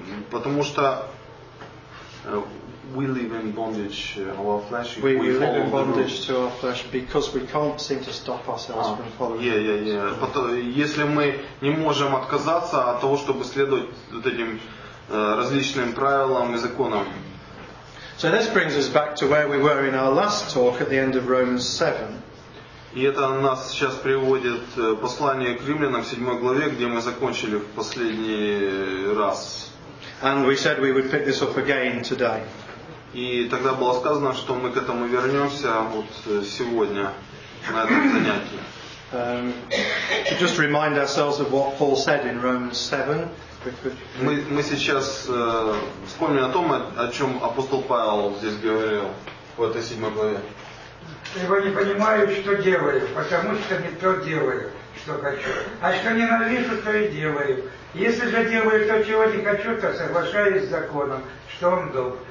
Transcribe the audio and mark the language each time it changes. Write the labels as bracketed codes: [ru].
[ru] Потому что [en] we live in bondage our flesh. We live in bondage to our flesh because we can't seem to stop ourselves from following. Yeah. [ru] Если мы не можем отказаться от того, чтобы следовать вот этим различным правилам и законам. [en] So this brings us back to where we were in our last talk at the end of Romans 7. [ru] И это нас сейчас приводит послание к римлянам в 7 главе, где мы закончили в последний раз. [en] And we said we would pick this up again today. [ru] И тогда было сказано, что мы к этому вернемся вот сегодня на этом занятии. [en] To just remind ourselves of what Paul said in Romans 7. [ru] Мы сейчас вспомним о том, о чем апостол Павел здесь говорил в этой 7 главе. Ибо не понимаю, что делаю, потому что не то делаю, что хочу, а что ненавижу, то и делаю. Если же делаю то, чего не хочу, то соглашаюсь с законом, что он добр.